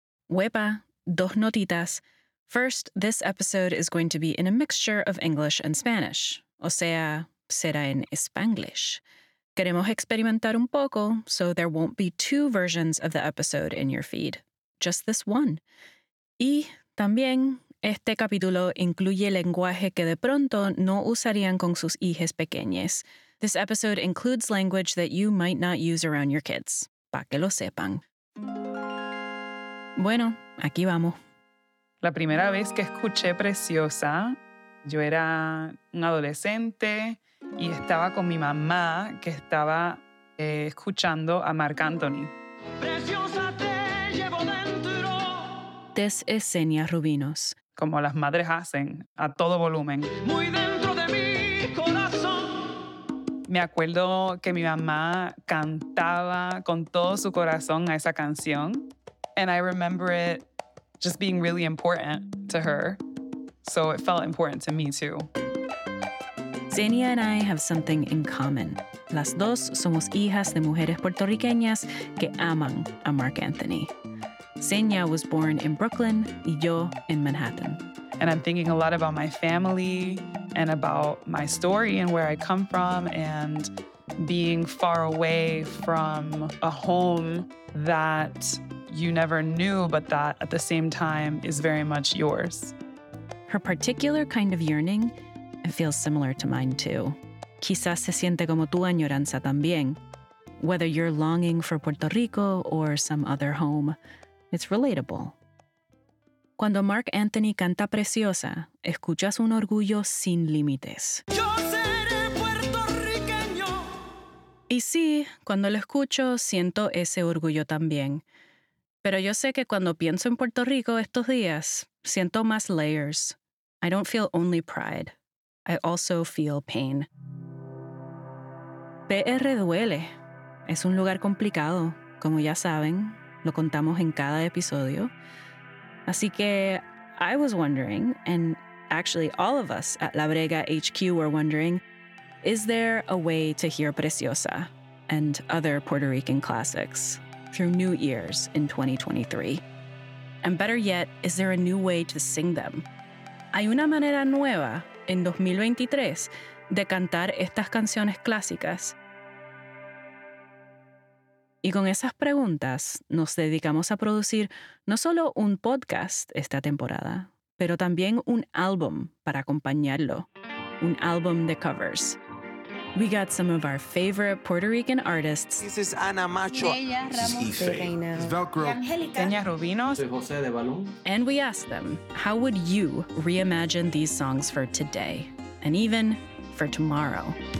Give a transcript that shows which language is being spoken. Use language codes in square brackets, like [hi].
[es] Wepa, dos notitas. [en] First, this episode is going to be in a mixture of English and Spanish. [es] O sea, será en Spanglish. Queremos experimentar un poco, [en] so there won't be two versions of the episode in your feed. Just this one. [es] Y también, este capítulo incluye lenguaje que de pronto no usarían con sus hijas pequeñas. [en] This episode includes language that you might not use around your kids. [es] Pa' que lo sepan. Bueno, aquí vamos. La primera vez que escuché Preciosa, yo era un adolescente y estaba con mi mamá que estaba escuchando a Marc Anthony. Preciosa te llevo dentro. [en] This is Xenia Rubinos. [es] Como las madres hacen, a todo volumen. Muy dentro de mi corazón. Me acuerdo que mi mamá cantaba con todo su corazón a esa canción. [en] And I remember it just being really important to her. So it felt important to me too. Xenia and I have something in common. [es] Las dos somos hijas de mujeres puertorriqueñas que aman a Marc Anthony. [en] Xenia was born in Brooklyn [es] y yo [en] in Manhattan. And I'm thinking a lot about my family and about my story and where I come from and being far away from a home that you never knew, but that at the same time is very much yours. Her particular kind of yearning, it feels similar to mine too. [es] Quizás se siente como tu añoranza también. [en] Whether you're longing for Puerto Rico or some other home, it's relatable. [es] Cuando Marc Anthony canta Preciosa, escuchas un orgullo sin límites. Yo seré puertorriqueño. Y sí, cuando lo escucho, siento ese orgullo también. Pero yo sé que cuando pienso en Puerto Rico estos días, siento más layers. [en] I don't feel only pride. I also feel pain. [es] PR duele. Es un lugar complicado. Como ya saben, lo contamos en cada episodio. Así que [en] I was wondering, and actually all of us at La Brega HQ were wondering, is there a way to hear Preciosa and other Puerto Rican classics through new ears in 2023? And better yet, is there a new way to sing them? [es] ¿Hay una manera nueva en 2023 de cantar estas canciones clásicas? Y con esas preguntas, nos dedicamos a producir no solo un podcast esta temporada, pero también un álbum para acompañarlo, un álbum de covers. [en] We got some of our favorite Puerto Rican artists. This is Ana Macho. This is Velcro. Angelica. Rubinos. José de Balón. And we asked them, how would you reimagine these songs for today and even for tomorrow?